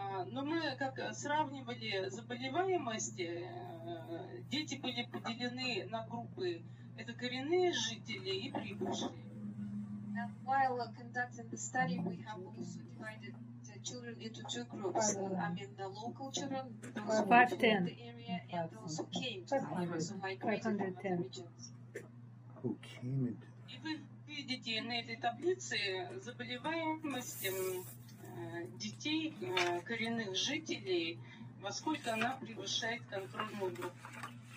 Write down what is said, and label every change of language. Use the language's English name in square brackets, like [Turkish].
[Russian] Но мы как сравнивали заболеваемости, дети были поделены на группы, это коренные жители и прибывшие. [English] And while conducting the study we have also divided children into two groups, the local children, those who lived in the area, and those who came to the area, so migrated from other regions. Who came into the area? [Russian] И вы видите на этой таблице заболеваемость детей, коренных жителей, во сколько она превышает контрольную группу.